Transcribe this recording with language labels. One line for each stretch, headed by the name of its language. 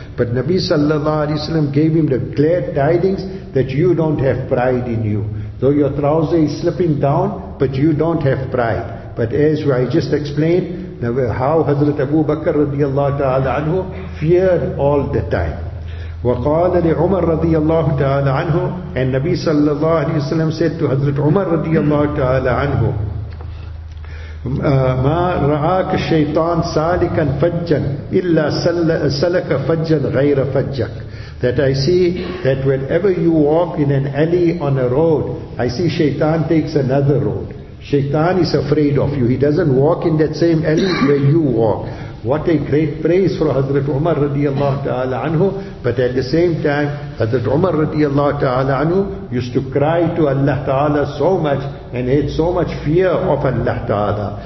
English: But Nabi sallallahu alayhi wa sallam gave him the glad tidings that you don't have pride in you. Though your trouser is slipping down, but you don't have pride. But as I just explained, how Hazrat Abu Bakr radiallahu ta'ala anhu feared all the time.
Arabic: وقال لعمر رضي الله تعالى عنه,
English: and Nabi sallallahu alayhi wa sallam said to Hazrat Umar
Arabic: رضي الله تعالى عنه, ما رآك الشيطان سالكا فجا إلا سلك فجا غير فجك.
English: That I see that whenever you walk in an alley on a road, I see Shaitan takes another road. Shaitan is afraid of you. He doesn't walk in that same alley where you walk. What a great praise for Hazrat Umar radiallahu ta'ala anhu. But at the same time, Hazrat Umar radiallahu ta'ala anhu used to cry to Allah ta'ala so much and had so much fear of Allah ta'ala.